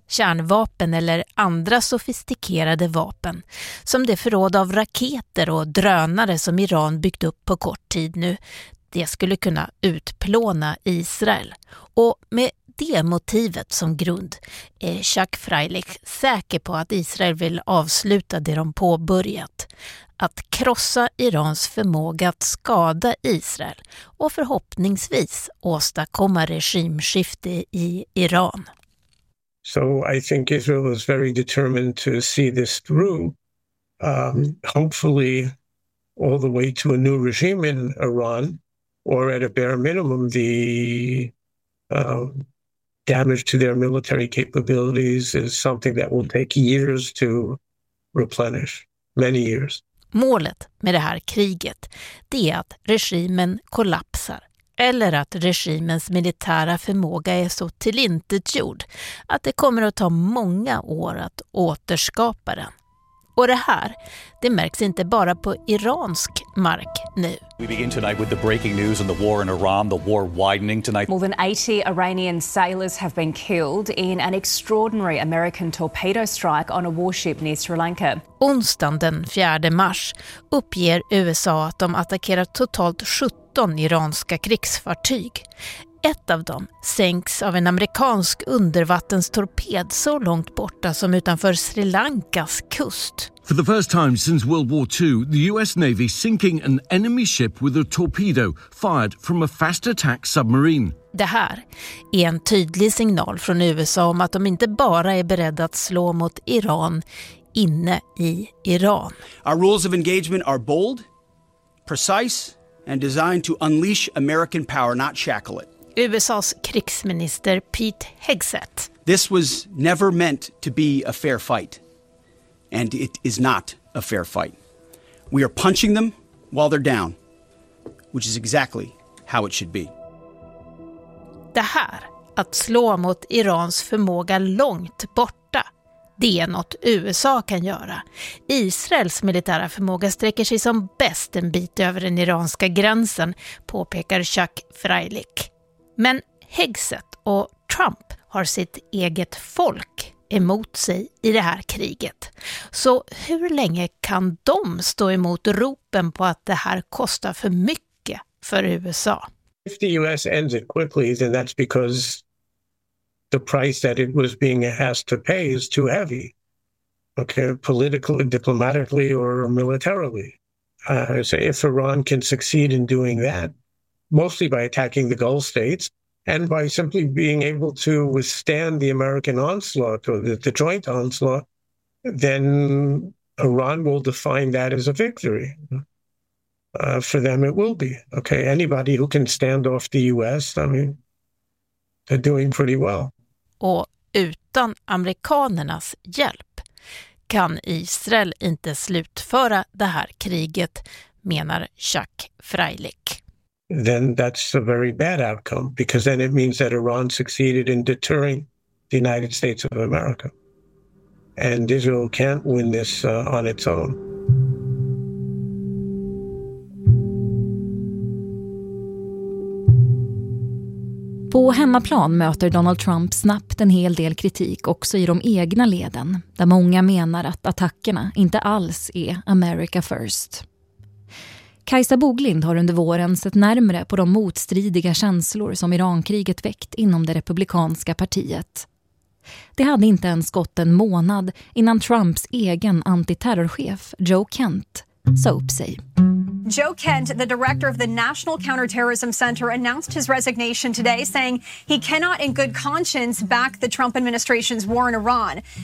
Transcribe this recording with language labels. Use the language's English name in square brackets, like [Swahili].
[Swedish] Kärnvapen eller andra sofistikerade vapen, som det förråd av raketer och drönare som Iran byggt upp på kort tid nu, det skulle kunna utplåna Israel. Och med det motivet som grund är Shak Freilich säker på att Israel vill avsluta det de påbörjat. Att krossa Irans förmåga att skada Israel och förhoppningsvis åstadkomma regimskifte i Iran. [English] So I think Israel is very determined to see this through. Hopefully all the way to a new regime in Iran, or at a bare minimum the damage to their military capabilities is something that will take years to replenish, many years. [Swedish] Målet med det här kriget, det är att regimen kollapsar eller att regimens militära förmåga är så tillintetgjord att det kommer att ta många år att återskapa den. Och det här, det märks inte bara på iransk mark nu. [English] We begin tonight with the breaking news on the war in Iran, the war widening tonight. More than 80 Iranian sailors have been killed in an extraordinary American torpedo strike on a warship near Sri Lanka. [Swedish] Onsdagen den 4 mars uppger USA att de attackerat totalt 17 iranska krigsfartyg. Ett av dem sänks av en amerikansk undervattenstorped så långt borta som utanför Sri Lankas kust. [English] For the first time since World War II, the US Navy sinking an enemy ship with a torpedo fired from a fast attack submarine. [Swedish] Det här är en tydlig signal från USA om att de inte bara är beredda att slå mot Iran inne i Iran. [English] Our rules of engagement are bold, precise and designed to unleash American power, not shackle it. [Swedish] USA:s krigsminister Pete Hegseth. [English] This was never meant to be a fair fight. And it is not a fair fight. We are punching them while they're down, which is exactly how it should be. [Swedish] Det här, att slå mot Irans förmåga långt borta, det är något USA kan göra. Israels militära förmåga sträcker sig som bäst en bit över den iranska gränsen, påpekar Shak Freilich. Men Hegseth och Trump har sitt eget folk emot sig i det här kriget. Så hur länge kan de stå emot ropen på att det här kostar för mycket för USA? [English] If the US ends it quickly, then that's because the price that it was being asked to pay is too heavy. Okay, politically, diplomatically or militarily. So if Iran can succeed in doing that, mostly by attacking the Gulf states and by simply being able to withstand the American onslaught or the joint onslaught, then Iran will define that as a victory. For them, it will be. Okay, anybody who can stand off the U.S., I mean, they're doing pretty well. [Swedish] Och utan amerikanernas hjälp kan Israel inte slutföra det här kriget, menar Shak Freilich. [English] Then that's a very bad outcome because then it means that Iran succeeded in deterring the United States of America. And Israel can't win this on its own. [Swedish] På hemmaplan möter Donald Trump snabbt en hel del kritik också i de egna leden, där många menar att attackerna inte alls är [English] America first. [Swedish] Kajsa Boglind har under våren sett närmare på de motstridiga känslor som Irankriget väckt inom det republikanska partiet. Det hade inte ens gått en månad innan Trumps egen antiterrorchef Joe Kent sa upp sig. [English] Joe Kent, the director of the National Counterterrorism Center, announced his resignation today, saying he cannot in good conscience back the Trump administration's war in Iran.